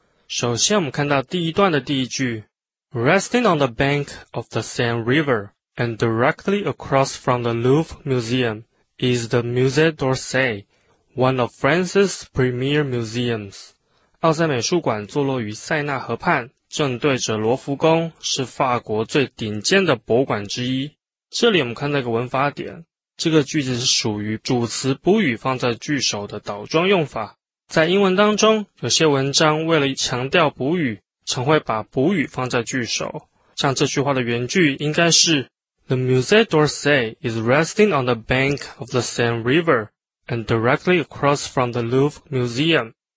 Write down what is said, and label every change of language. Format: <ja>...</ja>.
<zh>首先我们看到第一段的第一句。</zh> <en>Resting on the bank of the Seine River. And directly across from the Louvre Museum is the Musée d'Orsay, one of France's premier museums.</en> <zh>奥赛美术馆坐落于塞纳河畔，正对着罗浮宫，是法国最顶尖的博物馆之一。这里我们看到一个文法点，这个句子是属于主词补语放在句首的倒装用法。在英文当中，有些文章为了强调补语，常会把补语放在句首。像这句话的原句应该是</zh> <en>The Musée d'Orsay is resting on the bank of the Seine River and directly across from the Louvre Museum.</en>